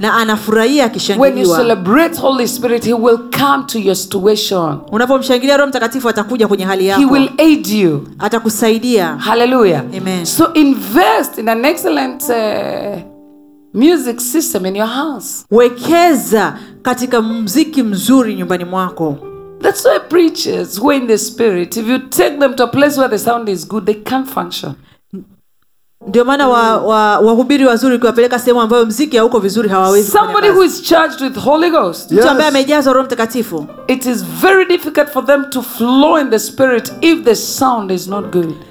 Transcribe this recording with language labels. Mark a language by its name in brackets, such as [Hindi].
[Swahili] Na anafurahia akishangiliwa. [English] When you celebrate Holy Spirit, he will come to your situation. [Swahili] Unapomshangilia Roho Mtakatifu atakuja kwenye hali yako. [English] He will aid you. [Swahili] Atakusaidia. Hallelujah. Amen. [English] So invest in an excellent music system in your house. [Swahili] Wekeza katika mziki mzuri nyumbani mwako. [English] That's why preachers who are in the spirit, if you take them to a place where the sound is good, they can't function. [Swahili] Ndio maana wahubiri wazuri kuwapeleka sehemu ambayo mziki hauko vizuri hawawezi. [English] Somebody who is charged with Holy Ghost. [Swahili] Mtu ambaye amejazwa Roho Mtakatifu. [English] It is very difficult for them to flow in the spirit if the sound is not good.